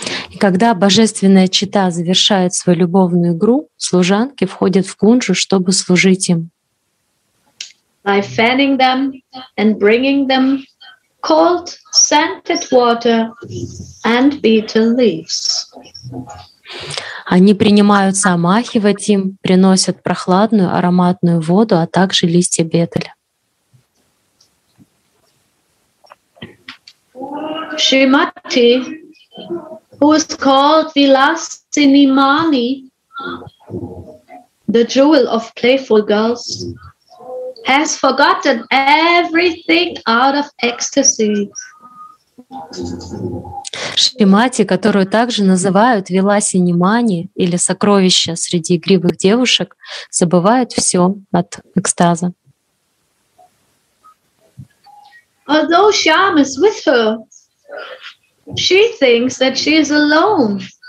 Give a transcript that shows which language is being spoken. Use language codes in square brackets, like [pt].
[ru] И когда божественная чита завершает свою любовную игру, служанки входят в Кунжу, чтобы служить им. [en] By fanning them and bringing them cold scented water and betel leaves. [ru] Они принимаются омахивать им, приносят прохладную ароматную воду, а также листья бетеля. [en] Шримати, who is called Vilasini Mani, the jewel of playful girls, has forgotten everything out of ecstasy. [ru] Шримати, которую также называют Виласини Мани или сокровище среди игривых девушек, забывает все от экстаза. [en] Although Shyam is with her, she thinks that she is alone.